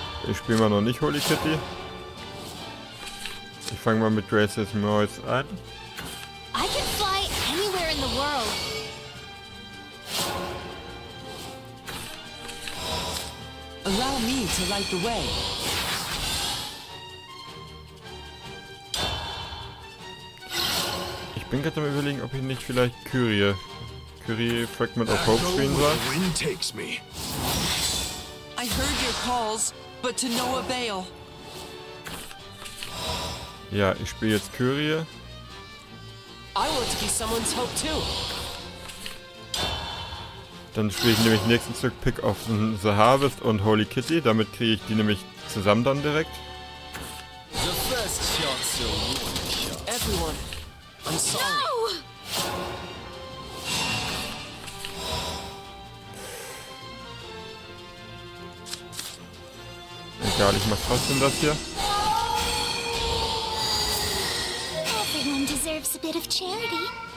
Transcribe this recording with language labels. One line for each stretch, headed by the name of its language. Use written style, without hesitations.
German: Ich spiele mal noch nicht Holy Kitty. Ich fange mal mit Grace's Noise an.
English: I can fly anywhere in the world. Allow me to light the way.
German: Ich bin gerade am überlegen, ob ich nicht vielleicht Kyrie Fragment of Hope spielen soll.
English: The wind takes me. I heard your calls. But to no avail.
German: Ja, ich spiele jetzt Kyrie.
English: I want to be someone's hope too.
German: Dann spiele ich nämlich nächsten Zug Pick of the Harvest und Holy Kitty. Damit kriege ich die nämlich zusammen dann direkt.
English: The first shot, so everyone, I'm sorry. No!
German: Egal, ich mach trotzdem das hier.
English: Everyone deserves a bit of charity.